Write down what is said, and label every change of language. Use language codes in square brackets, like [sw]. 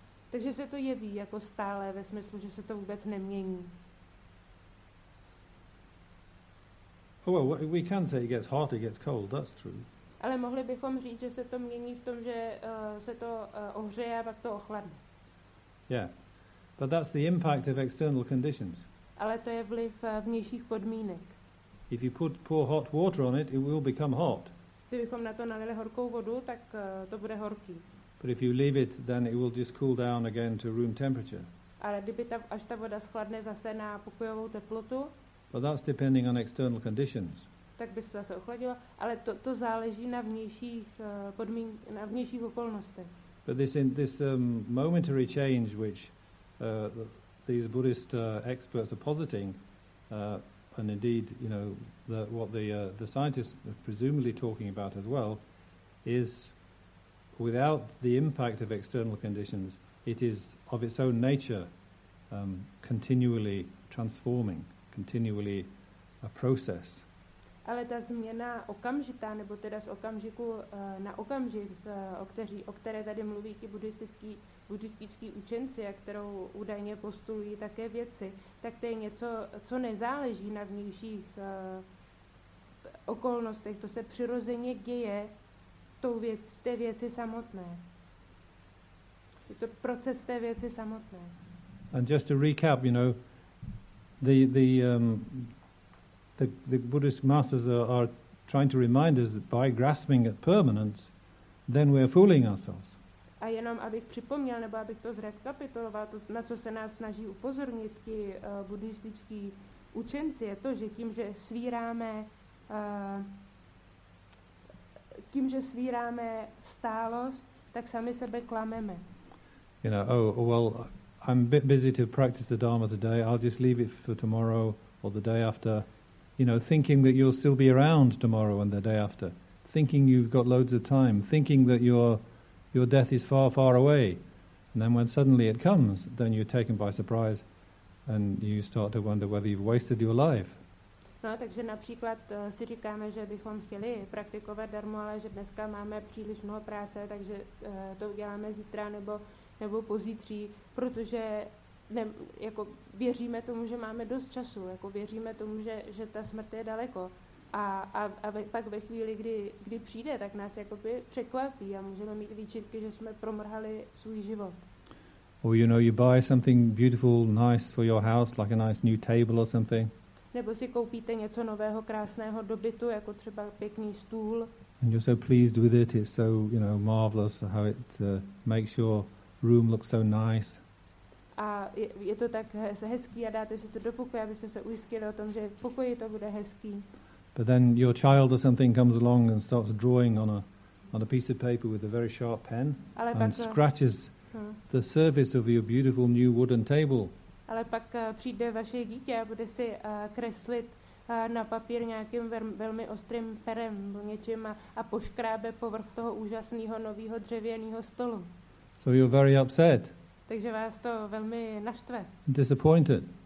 [cs] Takže se to jeví jako stále ve smyslu, že se to vůbec nemění. [en] Oh well, we can say it gets hot, it gets cold. That's true. [cs] Ale mohli bychom říct, že se to mění v tom, že se to ohřeje a pak to ochladne. [en] Yeah, but that's the impact of external conditions. [cs] Ale to je vliv vnějších podmínek. [en] If you pour hot water on it, it will become hot. [cs] Kdybychom na to nalili horkou vodu, tak to bude horký. [en] But if you leave it, then it will just cool down again to room temperature. [cs] Ale kdyby až ta voda schladne zase na pokojovou teplotu. [en] But that's depending on external conditions. [cs] Tak by se zase ochladilo, ale to záleží na vnějších podmínkách, na vnějších okolnostech. [en] But this momentary change which these Buddhist experts are positing, and indeed, you know, what the scientists are presumably talking about as well, is without the impact of external conditions, it is of its own nature continually transforming. Continually a process. [cs] Ale ta změna okamžitá, nebo teda z okamžiku na okamžik, o které tady mluví ti buddhističtí učenci, a kterou údajně postulují také věci, tak to je něco, co nezáleží na vnějších okolnostech, to se přirozeně děje tou věc, té věci samotné. Je to proces té věci samotné. [en] And just to recap, you know, the Buddhist masters are trying to remind us that by grasping at permanence, then we are fooling ourselves. [cs] A jenom abych připomněl, nebo abych to zrekapituloval, to, na co se nás snaží upozornit ti buddhističtí učenci, je to, že tím, že svíráme stálost, tak sami sebe klameme. [en] You know, oh, well, I'm a bit busy to practice the Dharma today, I'll just leave it for tomorrow or the day after. You know, thinking that you'll still be around tomorrow and the day after. Thinking you've got loads of time. Thinking that your death is far, far away. And then when suddenly it comes, then you're taken by surprise and you start to wonder whether you've wasted your life. [cs] No, takže například si říkáme, že bychom chtěli praktikovat darmo, ale že dneska máme příliš mnoho práce, takže to uděláme zítra nebo pozítří, protože jako věříme tomu, že máme dost času, jako věříme tomu, že ta smrt je daleko. Pak ve chvíli, kdy přijde, tak nás jakoby překvapí a můžeme mít výčitky, že jsme promrhali svůj život. [en] Or you know, you buy something beautiful, nice for your house, like a nice new table or something. [cs] Nebo si koupíte něco nového, krásného do bytu, jako třeba pěkný stůl. [en] And you're so pleased with it, it's so, you know, marvelous how it makes your room look so nice. [cs] A je to tak hezký a dáte si to do pokoje, abyste se ujistili o tom, že v pokoji to bude hezký. [en] But then your child or something comes along and starts drawing on a piece of paper with a very sharp pen and scratches the surface of your beautiful new wooden table. [cs] Ale pak přijde vaše dítě a bude si kreslit na papír nějakým velmi ostrým perem něčím a poškrábe povrch toho úžasného nového dřevěného stolu. [en] So you're very upset. [cs] Takže vás to velmi naštve. [en] Disappointed.